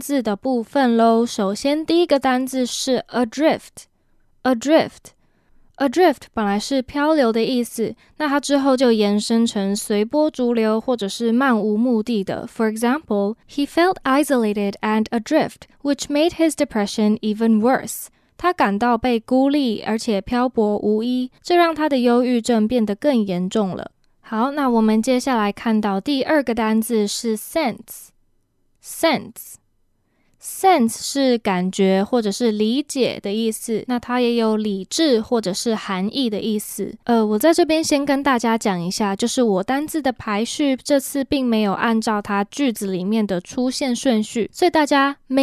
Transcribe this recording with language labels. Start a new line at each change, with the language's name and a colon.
Chinese: 好，那接下来我们就看到单字的部分喽。首先第一个单字是 adrift。 Adrift 本来是漂流的意思，那它之后就延伸成随波逐流或者是漫无目的的。
English: For example, he felt isolated and adrift, which made his depression even worse.
Chinese: 他感到被孤立，而且漂泊无依，这让他的忧郁症变得更严重了。好，那我们接下来看到第二个单字是sense。 Sense 是感觉或者是理解的意思，那它也有理智或者是含义的意思。我在这边先跟大家讲一下，就是我单字的排序这次并没有按照它句子里面的出现顺序，所以大家